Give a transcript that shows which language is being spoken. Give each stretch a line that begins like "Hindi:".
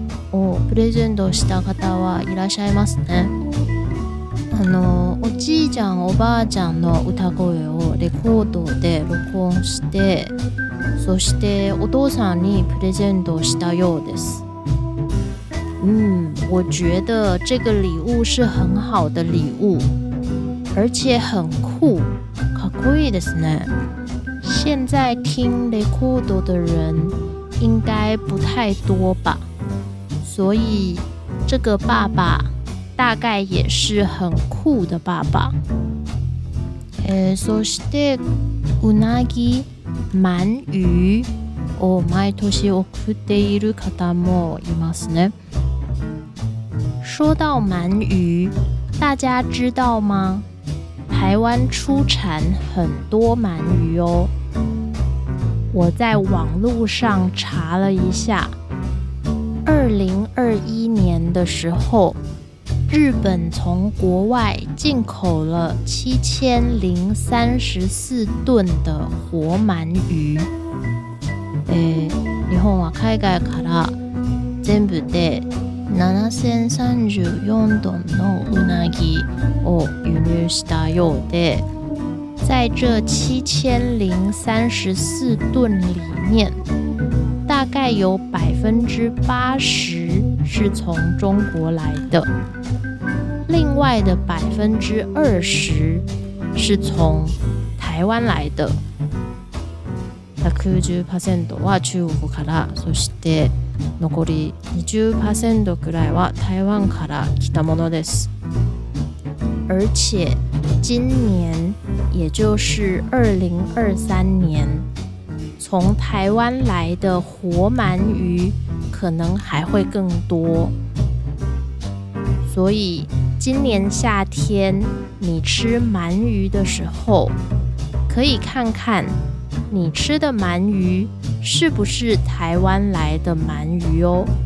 Japanese: をプレゼントした方はいらっしゃいますね。おじいちゃんおばあちゃんの歌声をレコードで録音して、そしてお父さんにプレゼントしたようです。
Chinese: 我觉得这个礼物是很好的礼物，而且很酷。
Japanese: かっこいいですね。
Chinese: 现在听レコード的人应该不太多吧，所以这个爸爸大概也是很酷的爸爸。
Japanese: そしてうなぎ、
Chinese: 鳗鱼
Japanese: を毎年送っている方もいますね。
Chinese: 说到鳗鱼，大家知道吗？台湾出产很多鳗鱼哦。我在网路上查了一下，2021年的时候，日本从国外进口了7034吨的活鳗鱼。
Japanese: 日本は海外から全部で7034吨のうなぎを輸入したようで、
Chinese: 在这7034吨里面，大概有80%是从中国来的。另外的20%是从台湾来的。
Japanese: 90%は中国から、そして残り 20% くらいは台湾から来たものです。
Chinese: 而且今年，也就是2023年，从台湾来的活鳗鱼可能还会更多。所以今年夏天你吃鳗鱼的时候，可以看看你吃的鳗鱼是不是台湾来的鳗鱼哦。